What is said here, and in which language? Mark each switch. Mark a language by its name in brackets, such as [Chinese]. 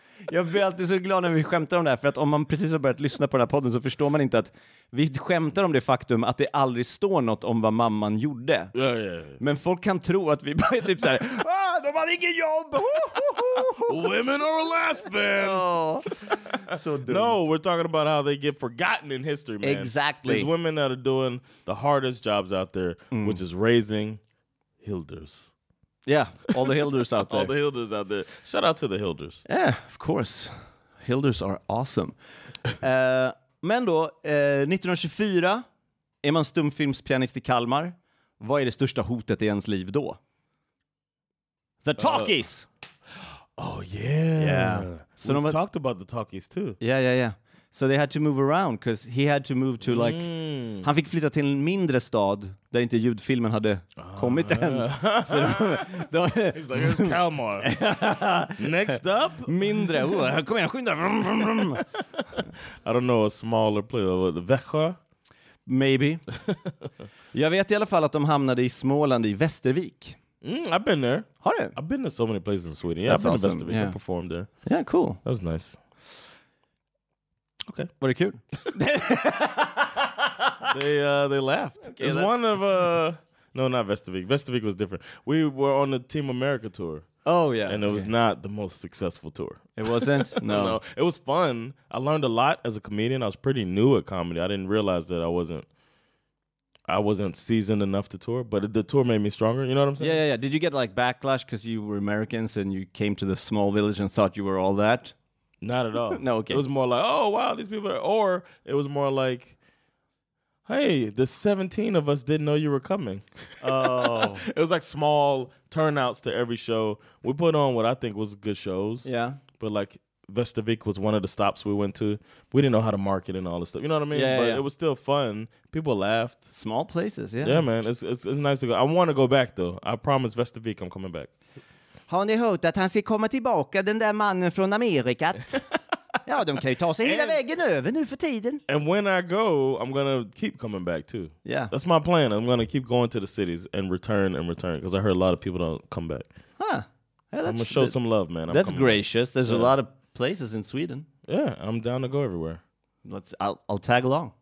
[Swedish] Jag blir alltid så glad när vi skämtar om det här, för att om man precis har börjat lyssna på den här podden så förstår man inte att vi skämtar om det faktum att det aldrig står något om vad mamman gjorde. Ja, ja, ja. Men folk kan tro att vi bara är typ såhär, ah, de har ingen jobb! [English] Women are less than! [Swedish] Så dumt. [English] No, we're talking about how they get forgotten in history, man. Exactly. It's women that are doing the hardest jobs out there, which is raising Hilders. Yeah, all the Hilders out there. All the Hilders out there. Shout out to the Hilders. Yeah, of course. Hilders are awesome. [Swedish] men då, 1924, är man stumfilmspianist i Kalmar. Vad är det största hotet i ens liv då? [English] The talkies! Oh, yeah. Yeah. So we've talked about the talkies, too. Yeah, yeah, yeah. So they had to move around, because he had to move to, like... [Swedish] Han fick flytta till en mindre stad där inte ljudfilmen hade kommit än. Så [English] de, he's like, it's Kalmar. Next up? [Swedish] Mindre. Oh, kom igen, skynda. [English] I don't know, a smaller place. Växjö? Maybe. [Swedish] Jag vet i alla fall att de hamnade i Småland i Västervik. [English] Mm, I've been there. [Swedish] Har du? [English] I've been to so many places in Sweden. Yeah, I've been awesome. To Västervik. Yeah. I performed there. Yeah, cool. That was nice. [Swedish] Okay. Var det kul? [English] They laughed. Okay, it was one of no, not Västervik. Västervik was different. We were on the Team America tour. Oh yeah, and it was not the most successful tour. It wasn't. No, no, it was fun. I learned a lot as a comedian. I was pretty new at comedy. I didn't realize that I wasn't seasoned enough to tour. But the tour made me stronger. You know what I'm saying? Yeah, yeah, yeah. Did you get like backlash because you were Americans and you came to the small village and thought you were all that? Not at all. No, okay. It was more like, oh wow, these people. Or it was more like, hey, the 17 of us didn't know you were coming. Oh. It was like small turnouts to every show. We put on what I think was good shows. Yeah. But like Västervik was one of the stops we went to. We didn't know how to market and all this stuff. You know what I mean? Yeah, but yeah. It was still fun. People laughed. Small places, yeah. Yeah, man. It's nice to go. I want to go back, though. I promise Västervik I'm coming back. [Swedish] Har ni hört att han ska komma tillbaka, den där mannen från Amerika? Ja, de kan ju ta sig hela vägen över nu för tiden. [English] And when I go, I'm gonna keep coming back too. Yeah. That's my plan. I'm gonna keep going to the cities and return, because I heard a lot of people don't come back. Huh. Yeah, I'm gonna show some love, man. That's gracious. There's a lot of places in Sweden. Yeah, I'm down to go everywhere. I'll tag along.